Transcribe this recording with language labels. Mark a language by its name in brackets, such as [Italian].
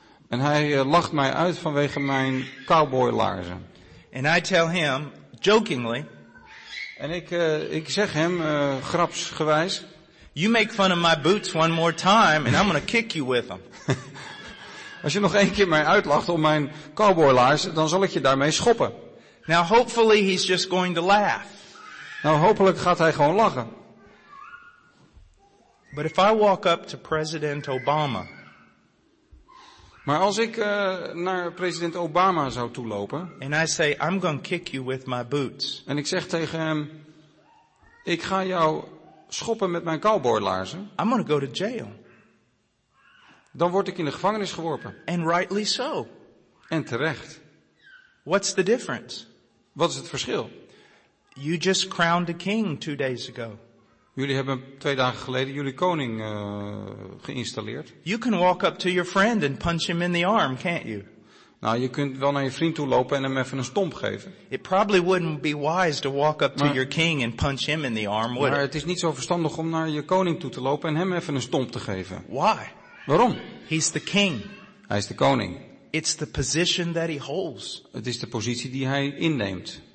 [Dutch] En hij lacht mij uit vanwege mijn cowboylaarzen. [English] And I tell him jokingly. [Dutch] En ik zeg hem grapsgewijs. [English] You make fun of my boots one more time and I'm going to kick you with them. [Dutch] Als je nog één keer mij uitlacht om mijn cowboylaarzen, dan zal ik je daarmee schoppen. [English] Now hopefully he's just going to laugh. [Dutch] Nou, hopelijk gaat hij gewoon lachen. [English] But if I walk up to President Obama. [Dutch] Maar als ik naar president Obama zou toelopen. [English] And I say, I'm gonna kick you with my boots. [Dutch] En ik zeg tegen hem, ik ga jou schoppen met mijn cowboylaarzen. [English] I'm gonna go to jail. [Dutch] Dan word ik in de gevangenis geworpen. [English] And rightly so. [Dutch] En terecht. [English] What's the difference? [Dutch] Wat is het verschil? [English] You just crowned a king 2 days ago. [Dutch] Jullie hebben 2 dagen geleden jullie koning geïnstalleerd. [English] You can walk up to your friend and punch him in the arm, can't you? [Dutch] Nou, je kunt wel naar je vriend toe lopen en hem even een stomp geven. [English] It probably wouldn't be wise to walk up to your king and punch him in the arm, would it? [Dutch] Maar het is niet zo verstandig om naar je koning toe te lopen en hem even een stomp te geven. [English] Why? [Dutch] Waarom? [English] He's the king. [Dutch] Hij is de koning. [English] It's the position that he holds. [Dutch] Het is de positie die hij inneemt.